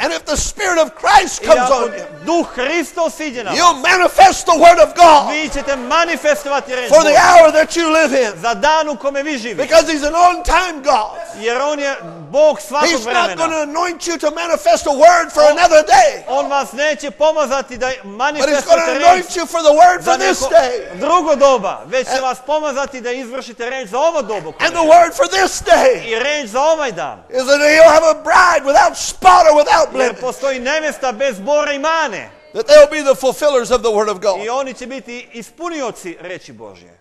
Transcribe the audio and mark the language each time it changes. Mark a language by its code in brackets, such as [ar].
[en] And if the spirit of Christ comes on you. [sr] Duh Hristov siđe na vas. [en] You manifest the word of God. [sr] Vi ćete manifestovati reč Božju. [en] For the hour that you live in. [sr] Za dan u kome vi živite. [en] Because he's an on time God. [sr] Jer on je Bog. [en] He's not going to anoint you to manifest a word for another day. [sr] On vas neće pomazati da manifestujete. [en] But he's going to anoint you for the word for this day. [sr] Drugo doba, već će vas pomazati da izvršite reč za ovo dobu. [en] And the word for this day. [sr] I reč za ovaj dan. [en] Is that he'll have a bride without spot or without blemish. [sr] Jer postoji nevesta bez bore i mane. [en] That they'll be the fulfillers of the word of God. [sr] I oni će biti ispunioci reči Božje.